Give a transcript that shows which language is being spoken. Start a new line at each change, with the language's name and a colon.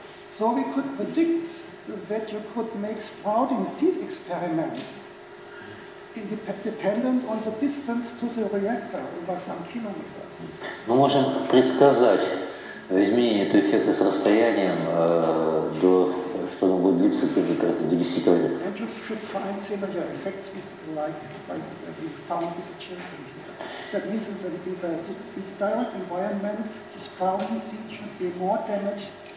English: So we could predict that you could make sprouting seed experiments dependent on the distance to the reactor over some kilometers.
Russian: Мы можем предсказать изменение этого эффекта с расстоянием до что оно будет длиться до 10 километров.
English: And you should find similar effects like we found with the children. That means in the direct environment the sprouting seed should be more damaged.